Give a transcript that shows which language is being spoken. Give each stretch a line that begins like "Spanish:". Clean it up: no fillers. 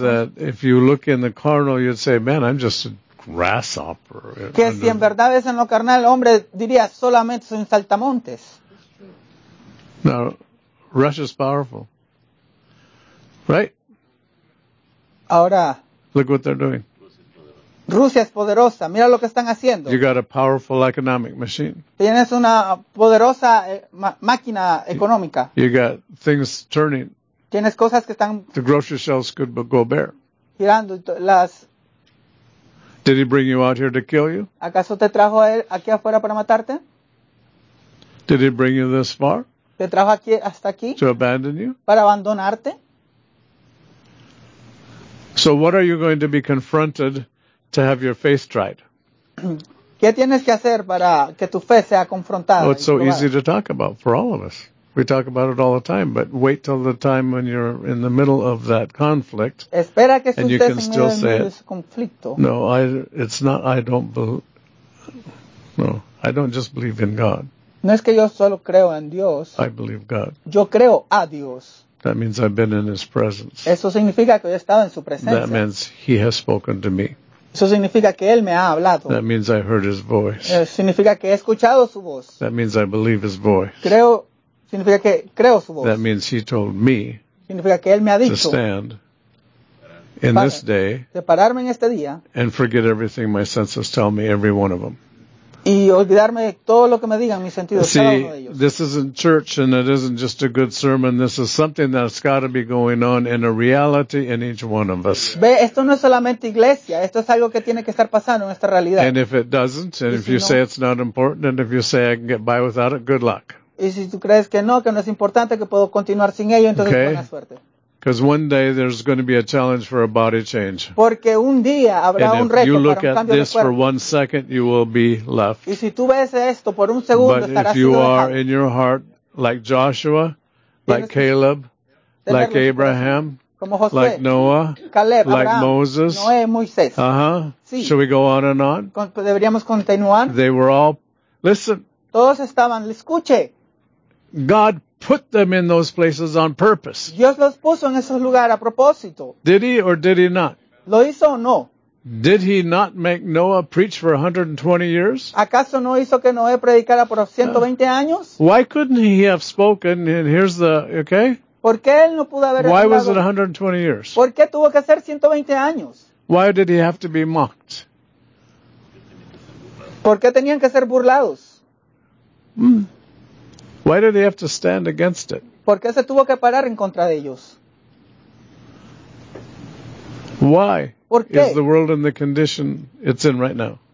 English: That if you look in the carnal, you'd say, man, I'm just a grasshopper.
Spanish: Que si en verdad ves en lo carnal, hombre, diría, solamente son saltamontes.
English: No, Russia's powerful, right?
Spanish: Ahora.
English: Look what they're doing.
Spanish: Rusia es poderosa. Mira lo que están haciendo.
English: You got a powerful economic machine.
Spanish: Tienes una poderosa máquina económica.
English: You got things turning.
Spanish: Tienes cosas que están.
English: The grocery shelves could go bare.
Spanish: Girando las.
English: Did he bring you out here to kill you?
Spanish: ¿Acaso te trajo él aquí afuera para matarte?
English: Did he bring you this far?
Spanish: ¿Te trajo aquí, hasta aquí?
English: To abandon you?
Spanish: ¿Para abandonarte?
English: So what are you going to be confronted to have your faith tried?
Spanish: ¿Qué tienes que hacer para que tu fe sea confrontada?
English: Well, it's so easy to talk about for all of us. We talk about it all the time, but wait till the time when you're in the middle of that conflict.
Spanish: Espera que
English: and you can still say it.
Spanish: Conflicto.
English: No, it's not, I don't believe. No, I don't just believe in God.
Spanish: No es que yo solo creo en Dios.
English: I believe God.
Spanish: Yo creo a Dios.
English: That means I've been in His presence.
Spanish: Eso significa que he estado en su presencia.
English: That means He has spoken to me.
Spanish: Eso significa que Él me ha hablado.
English: That means I heard His voice.
Spanish: Eso significa que he escuchado su voz.
English: That means I believe His voice.
Spanish: Creo, significa que creo su voz.
English: That means He told me.
Spanish: Significa que Él me ha dicho.
English: To stand in this day.
Spanish: Separarme en este día.
English: And forget everything my senses tell me, every one of them.
Spanish: Y olvidarme de todo lo que me digan mis sentidos,
English: See,
Spanish: cada uno de ellos.
English: See, this isn't church and it isn't just a good sermon. This is something that's got to be going on in a reality in each one of us.
Spanish: Ve, esto no es solamente iglesia. Esto es algo que tiene que estar pasando en esta realidad.
English: And if it doesn't, and if you say it's not important, and if you say I can get by without it, good luck.
Spanish: Y si tú crees que no es importante, que puedo continuar sin ello, entonces
English: okay.
Spanish: Buena suerte.
English: Because one day there's going to be a challenge for a body change.
Spanish: Porque un día habrá un reto para un cambio de cuerpo.
English: And if you look at this for one second, you will be left.
Spanish: Y si tú ves esto por un segundo,
English: but if you are in your heart like Joshua, like Caleb, like Abraham,
Spanish: como Josué,
English: like Noah,
Spanish: Caleb,
English: like Abraham, Moses,
Spanish: Noé, Moisés.
English: Uh-huh.
Spanish: Sí.
English: Shall we go on and on?
Spanish: Deberíamos continuar.
English: They were all, listen.
Spanish: Todos estaban, escuche.
English: God put them in those places on purpose.
Spanish: Dios los puso en esos lugares a propósito.
English: Did he or did he not?
Spanish: ¿Lo hizo o no?
English: Did he not make Noah preach for 120 years?
Spanish: ¿Acaso no hizo que Noé predicara por 120 años?
English: Why couldn't he have spoken? And here's the, okay?
Spanish: ¿Por qué él no pudo haber
English: Why was it 120 years?
Spanish: ¿Por qué tuvo que ser 120 años?
English: Why did he have to be mocked?
Spanish: ¿Por qué tenían que ser burlados?
English: Why did he have to stand against it?
Spanish: ¿Por qué se tuvo que parar en contra de ellos?
English: Why
Spanish: ¿Por qué?
English: Is the world in the condition it's in right now?